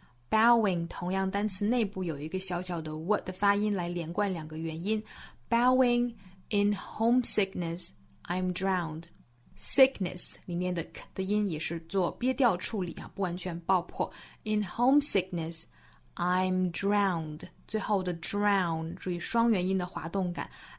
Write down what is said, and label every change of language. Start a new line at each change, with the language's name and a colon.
Chinese: Bowing 同样单词内部有一个小小的 what 的发音来连贯两个元音 ，
English: bowing in homesickness, I'm drowned.
Chinese: Sickness 里面的 k 的音也是做憋掉处理啊，不完全爆破。
English: In homesickness, I'm drowned.
Chinese: 最后的 drown 注意双元音的滑动感。